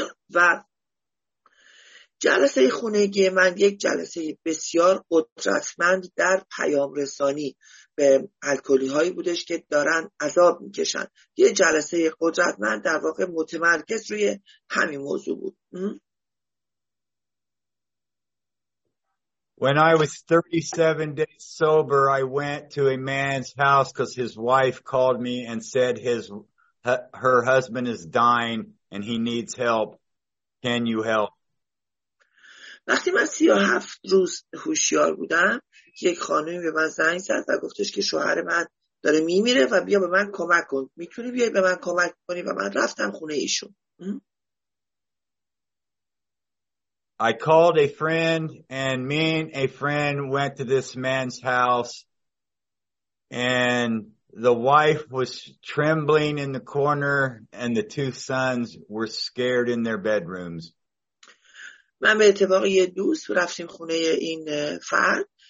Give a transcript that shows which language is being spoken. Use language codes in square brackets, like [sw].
[fa] و جلسه خونگی من یک جلسه بسیار قدرتمند در پیام رسانی به الکلی هایی بودش که دارن عذاب میکشن. یه جلسه قدرتمند در واقع متمرکز روی همین موضوع بود. [en] When I was 37 days sober, I went to a man's house because his wife called me and said her husband is dying and he needs help. Can you help? [fa] وقتی من 37 روز هوشیار بودم، یک خانمی به من زنگ زد و گفتش که شوهر من داره میمیره و بیا به من کمک کن. میتونی بیای به من کمک کنی؟ و من رفتم خونه ایشون. [en] I called a friend and me and a friend went to this man's house and the wife was trembling in the corner and the two sons were scared in their bedrooms. [fa] من به اتفاق یه دوست رفتیم خونه این فرد.